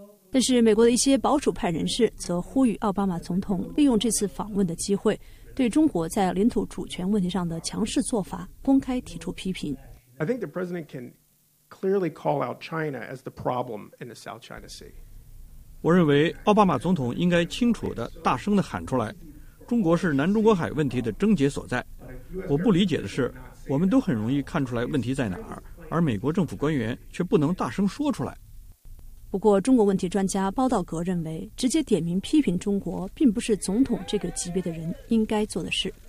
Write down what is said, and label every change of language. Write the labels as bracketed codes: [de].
[zh] 但是美国的一些保守派人士则呼吁奥巴马总统利用这次访问的机会，对中国在领土主权问题上的强势做法公开提出批评。 [en] I think the president can clearly call out China as the problem in the South China Sea. [zh] 我认为奥巴马总统应该清楚地大声地喊出来，中国是南中国海问题的症结所在。我不理解的是，我们都很容易看出来问题在哪儿，而美国政府官员却不能大声说出来。不过中国问题专家包道格认为，直接点名批评中国并不是总统这个级别的人应该做的事。